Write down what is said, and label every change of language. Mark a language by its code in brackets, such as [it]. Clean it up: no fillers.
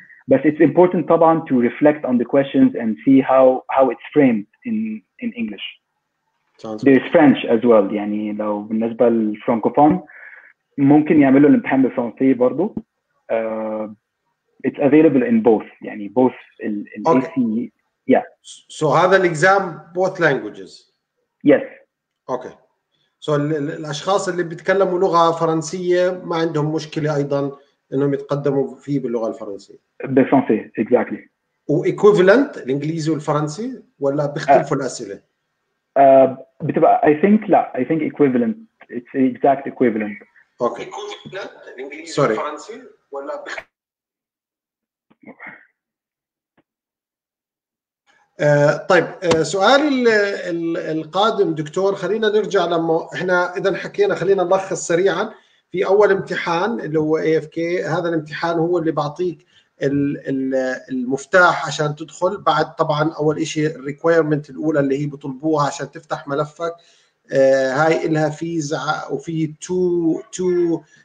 [en] But it's important طبعا to reflect on the questions and see how it's framed in English. Sounds there's good. French as well [ar] يعني لو بالنسبة للفرانكوفون ممكن يعملوا الامتحان بالفرنسي برضو. [en] It's available in both يعني both in okay. AC Yeah. So هذا الإكزام both languages. Yes. Okay. [ar] So الأشخاص اللي بيتكلموا لغة فرنسية ما عندهم مشكلة أيضا إنهم يتقدموا فيه باللغة الفرنسية. بالفرنسي exactly. و equivalent الإنجليزي والفرنسي ولا بيختلفوا الأسئلة؟ [en] بتبقى I think لا I think equivalent it's exact equivalent. Okay. [ar] الإنجليزي والفرنسي ولا بيختلفوا. طيب سؤال القادم دكتور خلينا نرجع لما احنا اذا حكينا خلينا نلخص سريعا في اول امتحان اللي هو AFK هذا الامتحان هو اللي بعطيك المفتاح عشان تدخل بعد طبعا اول شيء الريكويرمنت الاولى اللي هي بطلبوها عشان تفتح ملفك هاي لها فيز وفي تو